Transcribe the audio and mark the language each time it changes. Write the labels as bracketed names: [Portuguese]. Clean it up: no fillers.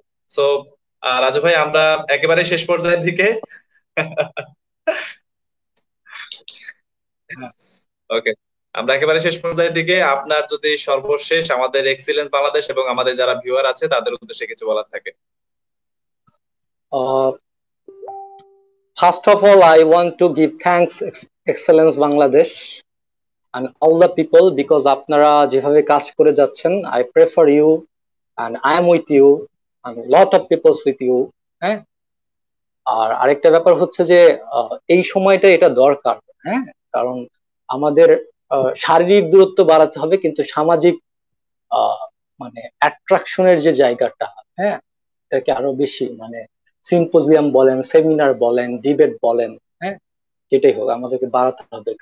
[Bangla] So Raju ভাই, আমরা একেবারে শেষ পর্যায়ের দিকে। ওকে, আমরা একেবারে শেষ পর্যায়ের দিকে। আপনার যদি সর্বশেষ আমাদের এক্সিলেন্ট বাংলাদেশ এবং আমাদের যারা ভিউয়ার আছে তাদের উদ্দেশ্যে কিছু বলার থাকে। [English] First of all, I want to give thanks Excellence Bangladesh and all the people, because [Bangla] আপনারা যেভাবে কাজ করে যাচ্ছেন, [English] I prefer you and I am with you and lot of people with you. [Bangla] হ্যাঁ, আর আরেকটা ব্যাপার হচ্ছে যে এই সময়টা এটা দরকার। হ্যাঁ, কারণ আমাদের শারীরিক দূরত্ব বাড়াতে হবে, কিন্তু সামাজিক মানে অ্যাট্রাকশনের যে জায়গাটা, হ্যাঁ, এটাকে আরো বেশি মানে সিম্পোজিয়াম বলেন, সেমিনার বলেন, ডিবেট বলেন, হ্যাঁ, যেটাই হোক আমাদেরকে বাড়াতে হবে।